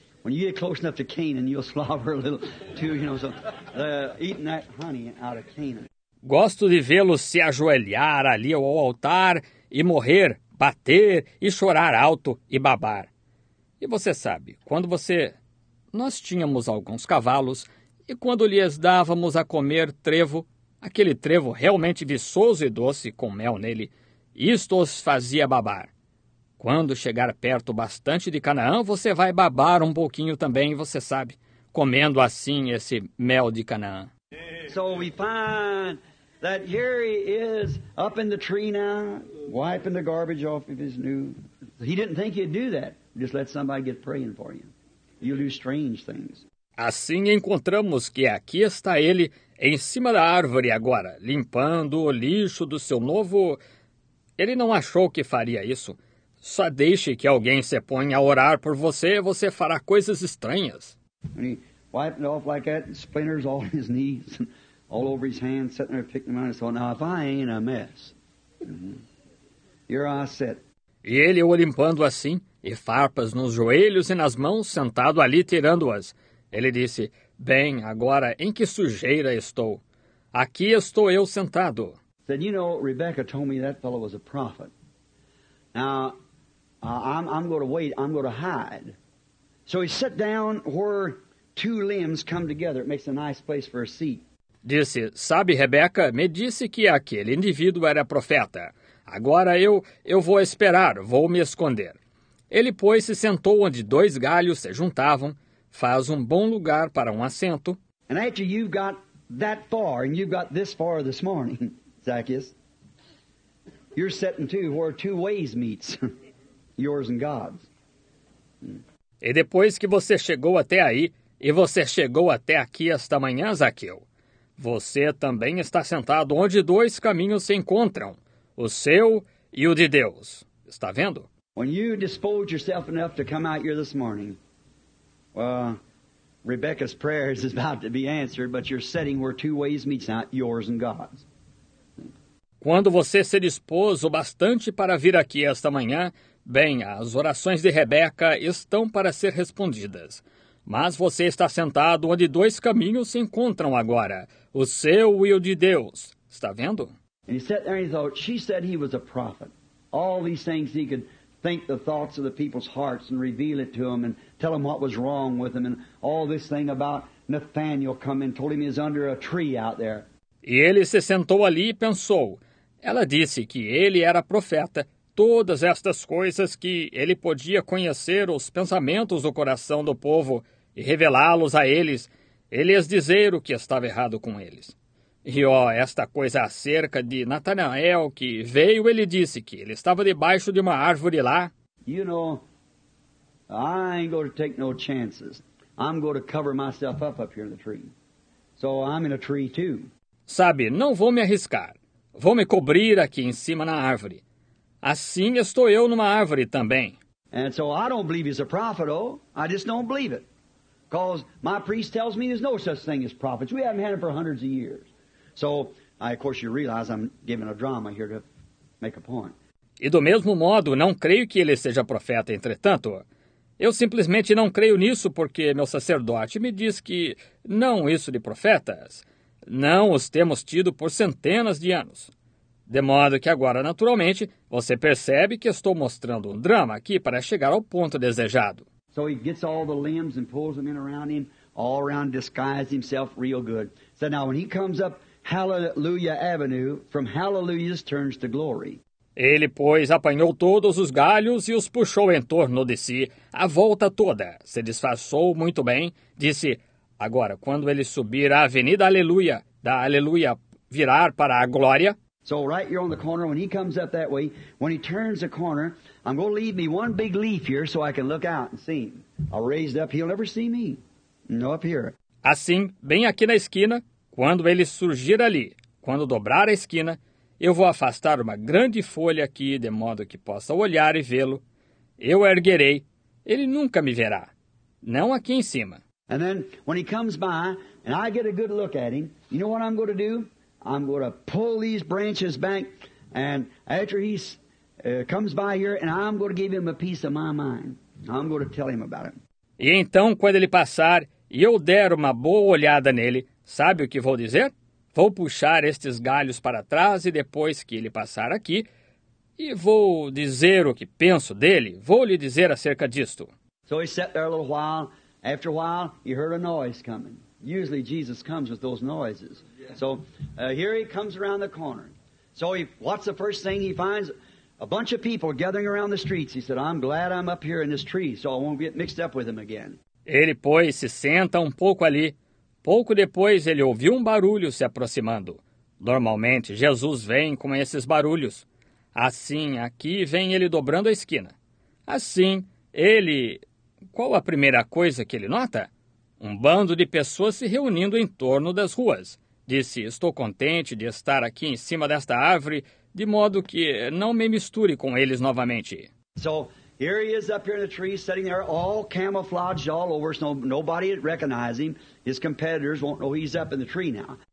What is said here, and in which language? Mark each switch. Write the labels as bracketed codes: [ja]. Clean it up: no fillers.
[en] When you get close enough to Canaan, you'll slobber a little too, you know, so eating that honey out of Canaan. [pt] Gosto de vê-lo se ajoelhar ali ao altar e morrer, bater e chorar alto e babar. E você sabe, quando você... Nós tínhamos alguns cavalos e quando lhes dávamos a comer trevo, aquele trevo realmente viçoso e doce com mel nele, isto os fazia babar. Quando chegar perto bastante de Canaã, você vai babar um pouquinho também, você sabe, comendo assim esse mel de Canaã. [en] So we find that here he is up in the tree now, wiping the garbage off of his new. He didn't think he'd do that. Just let somebody get praying for you. You'll do strange things. [pt] Assim encontramos que aqui está ele em cima da árvore agora, limpando o lixo do seu novo. Ele não achou que faria isso. Só deixe que alguém se ponha a orar por você, você fará coisas estranhas. [en] He wiped it off like that, splinters all his knees, all over his hands, sitting there picking them up. So now if I ain't a mess, here I sit. [pt] E ele o limpando assim, e farpas nos joelhos e nas mãos, sentado ali tirando-as. Ele disse, bem, agora em que sujeira estou? Aqui estou eu sentado. [en] Said, you know, Rebecca told me that fellow was a prophet. Now, I'm going to wait, I'm going to hide. So he sat down where two limbs come together. It makes a nice place for a seat. [pt] Disse, sabe, Rebecca, me disse que aquele indivíduo era profeta. Agora eu vou esperar, vou me esconder. Ele, pois, se sentou onde dois galhos se juntavam. Faz um bom lugar para um assento. [en] And actually, you've got that far, and you've got this far this morning, Zacchaeus. You're sitting too where two ways meets, yours and God's. [pt] E depois que você chegou até aí, e você chegou até aqui esta manhã, Zaqueu, você também está sentado onde dois caminhos se encontram, o seu e o de Deus. Está vendo? [en] When you dispose yourself enough to come out here this morning, Rebecca's prayers is about to be answered, but you're sitting where two ways meet, not yours and God's. [pt] Quando você se dispôs o bastante para vir aqui esta manhã, bem, as orações de Rebecca estão para ser respondidas. Mas você está sentado onde dois caminhos se encontram agora, o seu e o de Deus. Está vendo? [en] And he sat there and he thought, she said he was a prophet. All these things he could think the thoughts of the people's hearts and reveal it to them and tell them what was wrong with them and all this thing about Nathaniel coming, told him he was under a tree out there. [pt] E ele se sentou ali e pensou. Ela disse que ele era profeta. Todas estas coisas que ele podia conhecer os pensamentos do coração do povo e revelá-los a eles, ele lhes dizer o que estava errado com eles. E ó, esta coisa acerca de Natanael que veio, ele disse que ele estava debaixo de uma árvore lá. [en] You know, I ain't going to take no chances. I'm going to cover myself up here in the tree. So I'm in a tree too. [pt] Sabe, não vou me arriscar. Vou me cobrir aqui em cima na árvore. Assim estou eu numa árvore também. [en] And so I don't believe he's a prophet, oh. I just don't believe it. Because my priest tells me there's no such thing as prophets. We haven't had them for hundreds of years. So, of course, you realize I'm giving a drama here to make a point. [pt] E do mesmo modo, não creio que ele seja profeta, entretanto. Eu simplesmente não creio nisso porque meu sacerdote me diz que não isso de profetas. Não os temos tido por centenas de anos. De modo que agora, naturalmente, você percebe que estou mostrando um drama aqui para chegar ao ponto desejado. [en] So he gets all the limbs and pulls them in around him, all around disguised himself real good. So now when he comes up Hallelujah Avenue, from Hallelujah's turns to glory. [pt] Ele, pois, apanhou todos os galhos e os puxou em torno de si, a volta toda. Se disfarçou muito bem, disse, agora, quando ele subir à Avenida Aleluia, da Aleluia virar para a glória. [en] So right here on the corner, when he comes up that way, when he turns the corner, I'm going to leave me one big leaf here so I can look out and see him. I'll raise it up, he'll never see me. No, up here. [pt] Assim, bem aqui na esquina, quando ele surgir ali, quando dobrar a esquina, eu vou afastar uma grande folha aqui, de modo que possa olhar e vê-lo. Eu erguerei. Ele nunca me verá. Não aqui em cima. [en] And then, when he comes by, and I get a good look at him, you know what I'm going to do? I'm going to pull these branches back, and after he comes by here, and I'm going to give him a piece of my mind. I'm going to tell him about it. [pt] E então, quando ele passar, e eu der uma boa olhada nele, sabe o que vou dizer? Vou puxar estes galhos para trás e depois que ele passar aqui, e vou dizer o que penso dele, vou lhe dizer acerca disto. [en] So he sat there a little while. After a while, he heard a noise coming. Usually Jesus comes with those noises. So here he comes around the corner. So what's the first thing he finds? A bunch of people gathering around the streets. He said, I'm glad I'm up here in this tree, so I won't get mixed up with them again. [pt] Ele, pois, se senta um pouco ali. Pouco depois, ele ouviu um barulho se aproximando. Normalmente, Jesus vem com esses barulhos. Assim, aqui vem ele dobrando a esquina. Assim, ele... Qual a primeira coisa que ele nota? Um bando de pessoas se reunindo em torno das ruas. Disse, estou contente de estar aqui em cima desta árvore, de modo que não me misture com eles novamente. [en] So, here he is up here in the tree, sitting there, all camouflaged all over, so nobody recognizes him. His competitors won't know he's up in the tree now.